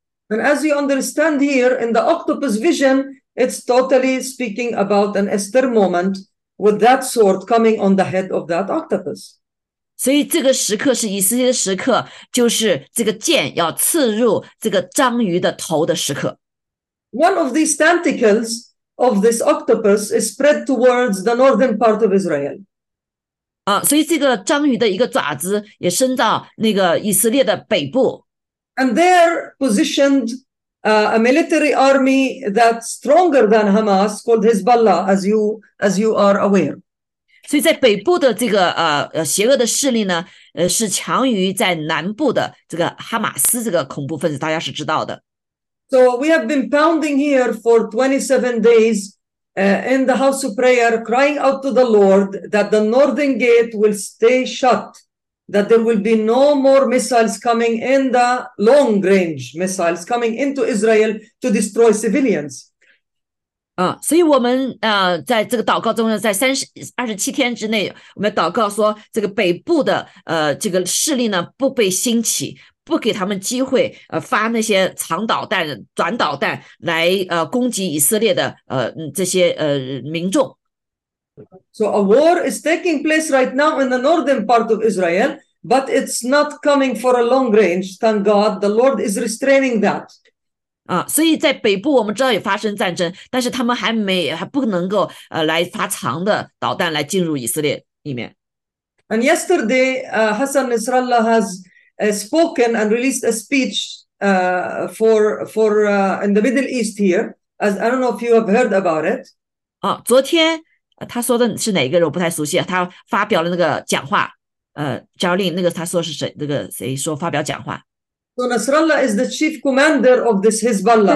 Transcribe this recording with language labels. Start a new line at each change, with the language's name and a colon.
English: And as you understand here in the octopus vision, it's totally speaking about an Esther moment with that sword coming on the head of that octopus.
Chinese: 所以这个时刻是以色列的时刻，就是这个剑要刺入这个章鱼的头的时刻。
English: One of these tentacles of this octopus is spread towards the northern part of Israel.
Chinese: 所以这个章鱼的一个爪子也伸到那个以色列的北部。
English: And there positioned a military army that's stronger than Hamas called Hezbollah, as you are aware.
Chinese: 所以在北部的这个邪恶的势力呢，是强于在南部的这个哈马斯这个恐怖分子，大家是知道的。
English: So we have been pounding here for 27 days, in the house of prayer, crying out to the Lord that the northern gate will stay shut, that there will be no more missiles coming in the long range missiles coming into Israel to destroy civilians.
Chinese: 所以我们在这个祷告中，在27天之内，我们祷告说，这个北部的这个势力呢，不被兴起，不给他们机会，发那些长导弹、短导弹来攻击以色列的这些民众。
English: So a war is taking place right now in the northern part of Israel, but it's not coming for a long range. Thank God, the Lord is restraining that.
Chinese: 所以在北部我们知道也发生战争，但是他们还不能够来发长的导弹来进入以色列里面。
English: And yesterday, Hassan Nasrallah has spoken and released a speech for in the Middle East here. As I don't know if you have heard about it.
Chinese: 昨天他说的是哪一个人？我不太熟悉。他发表了那个讲话。Jolin那个他说是谁？那个谁说发表讲话？
English: So Nasrallah is the chief commander of this Hezbollah.